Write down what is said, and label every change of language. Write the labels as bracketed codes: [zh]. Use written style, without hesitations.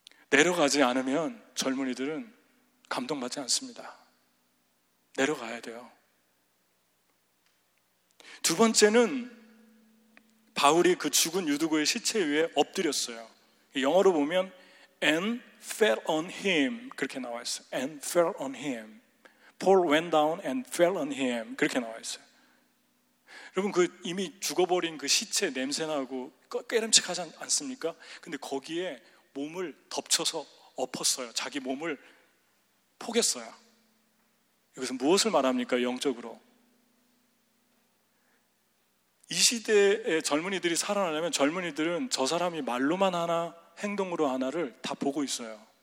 [ko] 내려가지 않으면 젊은이들은 감동받지 않습니다. 내려가야 돼요. 두 번째는 바울이 그 죽은 유두고의 시체 위에 엎드렸어요. 영어로 보면 [en] and fell on him [ko] 그렇게 나와 있어요. [en] and fell on him. Paul went down and fell on him [ko] 그렇게 나와 있어요. 여러분 그 이미 죽어버린 그 시체 냄새나고 꺼름칙하지 않습니까? 근데 거기에 몸을 덮쳐서 엎었어요. 자기 몸을 포갰어요. 여기서 무엇을 말합니까? 영적으로 이 시대의 젊은이들이 살아나려면 젊은이들은 저 사람이 말로만 하나 행동으로 하나를 다 보고 있어요.